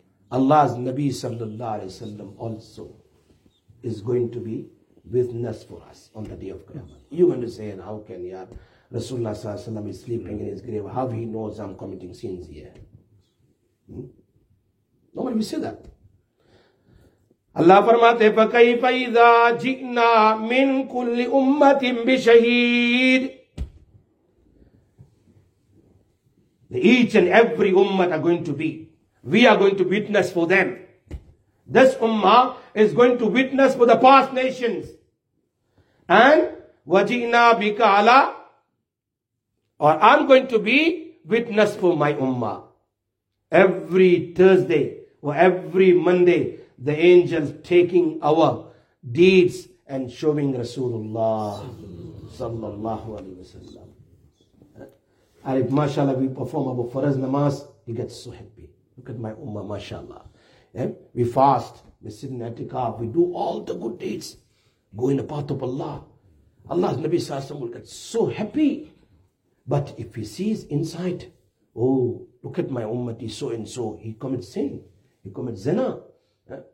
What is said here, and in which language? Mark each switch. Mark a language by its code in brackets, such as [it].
[en] Allah's Nabi sallallahu alayhi wa sallam also is going to be witness for us on the day of Qiyamah. You're going to say, and how can you have Rasulullah sallallahu alaihi wasallam is sleeping in his grave. How he knows I'm committing sins here? Nobody will say that. [hi] अल्लाह फरमाते [ar] फकैफा जिना मिन कुल्ली उम्मतिन बिशहीद, [en] each and every उम्मत are going to be, we are going to witness for them, this उम्मा is going to witness for the past nations, and [ar] वजीना बिका अला, [en] और I am going to be witness for my उम्मा. Every Thursday और every Monday the angels taking our deeds and showing रसूलुल्लाह सल्लल्लाहु अलैहि वसल्लम. And if mashallah we perform Abu Faraz namaz, he gets so happy. Look at my ummah, mashallah. Yeah? We fast, we sit in itikaf, we do all the good deeds, go in the path of Allah. Allah's Nabi Sallallahu Alaihi Wasallam will get so happy. But if he sees inside, oh, look at my ummati so and so, he commits sin, he commits zina, yeah?